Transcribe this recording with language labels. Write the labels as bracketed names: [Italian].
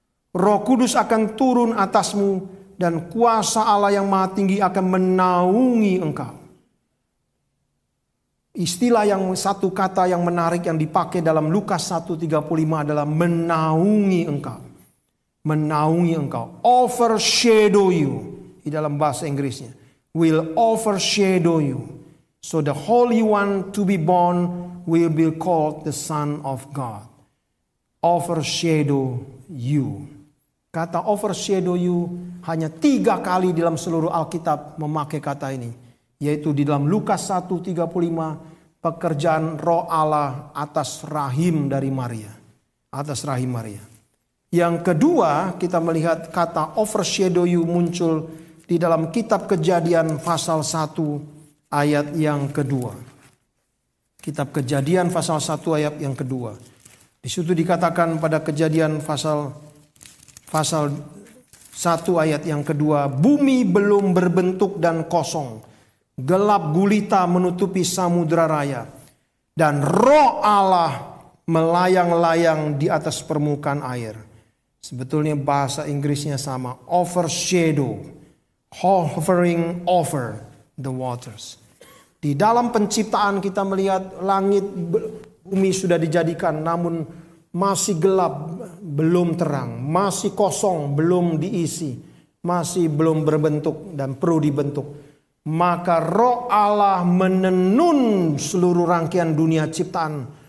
[Indonesian] Roh Kudus akan turun atasmu dan kuasa Allah yang Maha Tinggi akan menaungi engkau. Istilah yang satu kata yang menarik yang dipakai dalam Lukas 1:35 adalah menaungi engkau. Menaungi engkau. [English] Overshadow you. [Indonesian] Di dalam bahasa Inggrisnya. [English] Will overshadow you. So the Holy One to be born will be called the Son of God. [Indonesian] Overshadow you. Kata overshadow you hanya 3 kali dalam seluruh Alkitab memakai kata ini. Yaitu di dalam Lukas 1:35. Pekerjaan Roh Allah atas rahim dari Maria. Atas rahim Maria. Yang kedua, kita melihat kata overshadow you muncul di dalam kitab Kejadian pasal 1 ayat yang kedua. Kitab Kejadian pasal 1 ayat yang kedua. Di situ dikatakan pada Kejadian pasal 1 ayat yang kedua. Bumi belum berbentuk dan kosong. Gelap gulita menutupi samudera raya. Dan Roh Allah melayang-layang di atas permukaan air. Sebetulnya bahasa Inggrisnya sama. [English] Overshadow. Hovering over the waters. [Indonesian] Di dalam penciptaan kita melihat langit bumi sudah dijadikan. Namun masih gelap, belum terang. Masih kosong, belum diisi. Masih belum berbentuk dan perlu dibentuk. Maka Roh Allah menenun seluruh rangkaian dunia ciptaan.